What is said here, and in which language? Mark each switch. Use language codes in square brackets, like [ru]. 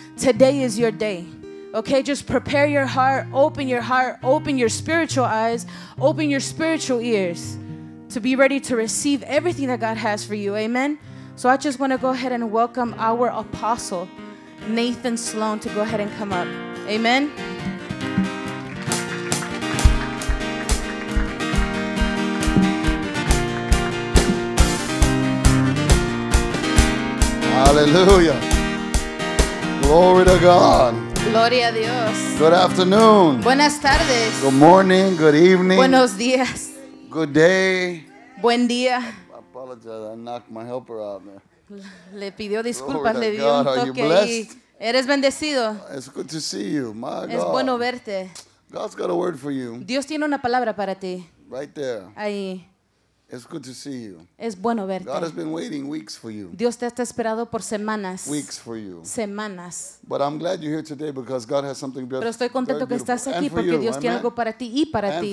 [en] Today is your day. Okay, just prepare your heart, open your heart, open your spiritual eyes, open your spiritual ears to be ready to receive everything that God has for you. Amen. So I just want to go ahead and welcome our apostle, Nathan Sloan, to go ahead and come up. Amen. Hallelujah. Glory to God. [es] Gloria a Dios. [en] Good afternoon. [es] Buenas tardes. [en] Good morning, good evening. [es] Buenos días. [en] Good day. [es] Buen día. [en] I apologize, I knocked my helper out there. [es] Le pidió disculpas, le dio un toque y eres bendecido. [en] It's good to see you, my God. [es] Es bueno verte. [en] God's got a word for you. [es] Dios tiene una palabra para ti. [en] Right there. [es] Ahí. [en] It's good to see you. [es] Es bueno verte. [en] God has been waiting weeks for you. [es] Dios te ha esperado por semanas. [en] Weeks for you. [es] Semanas. [en] But I'm glad you're here today because God has something beautiful. [es] Pero estoy contento que estás aquí porque Dios tiene algo para ti y para ti.